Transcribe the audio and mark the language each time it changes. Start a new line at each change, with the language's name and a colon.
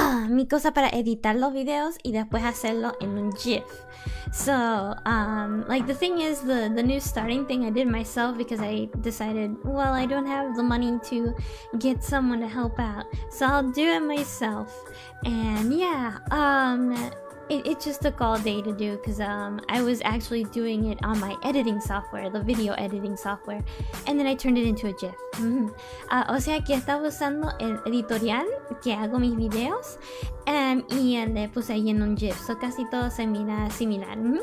Spanish: Mi cosa para editar los videos y después hacerlo en un GIF.
English: So, like the thing is, the new starting thing I did myself because I decided, well, I don't have the money to get someone to help out. So I'll do it myself. And yeah, it just took all day to do because I was actually doing it on my editing software, the video editing software. And then I turned it into a GIF.
Spanish: o sea que estaba usando el editorial que hago mis videos. Y le puse ahí en un GIF, so casi todo se mira similar.